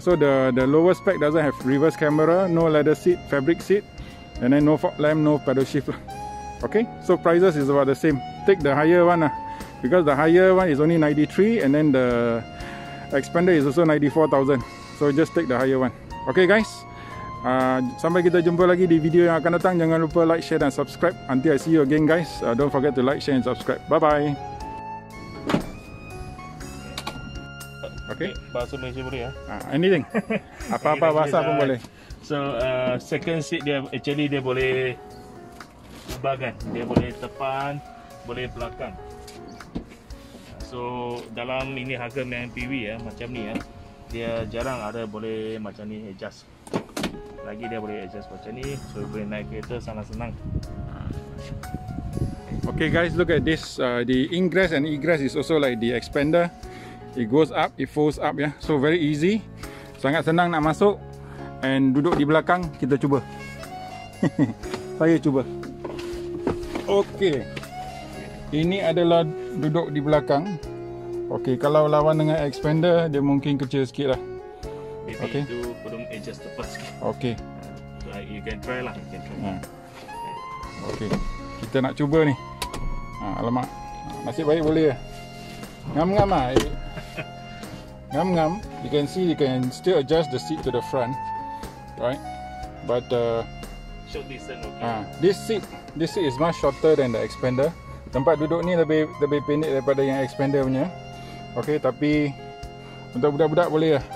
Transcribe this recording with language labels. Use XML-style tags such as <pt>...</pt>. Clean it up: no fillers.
<en>So the lower spec doesn't have reverse camera, no leather seat, fabric seat, and then no fog lamp, no pedal shift. Okay, so prices is about the same. Take the higher one because the higher one is only 93 and then the Xpander is also 94,000. So just take the higher one.</en> <ms>Okay guys, sampai kita jumpa lagi di video yang akan datang. Jangan lupa like, share dan subscribe.</ms> <en>Until I see you again guys, don't forget to like, share and subscribe. Bye bye.</en> <ms>Okay, bahasa Malaysia boleh ya? Anything. Apa-apa bahasa pun boleh. So second seat dia actually dia boleh ubahkan. Dia boleh depan, boleh belakang. So dalam ini harga MPV ya, macam ni ya. Dia jarang ada boleh macam ni adjust. Lagi dia boleh adjust macam ni, so boleh naik kereta sangat senang.</ms> <en>Okay guys, look at this. The ingress and egress is also like the Xpander. It goes up, it folds up ya. So very easy,</en> <ms>sangat senang nak masuk. And duduk di belakang, kita cuba. Saya cuba. Okay. Ini adalah duduk di belakang. Okey, kalau lawan dengan expander dia mungkin kecil sikit lah. Maybe okay. Itu belum adjust tepat sikit. Okey.</ms> <en>You can try lah.</en> <ms>Okey. Kita nak cuba ni. Alamak. Nasib baik boleh. Ngam-ngam lah. Ngam-ngam.</ms> <en>You can see you can still adjust the seat to the front. Right? But short distance okay. This seat is much shorter than the expander.</en> <ms>Tempat duduk ni lebih pendek daripada yang expander punya. Okey, tapi untuk budak-budak boleh lah.</ms>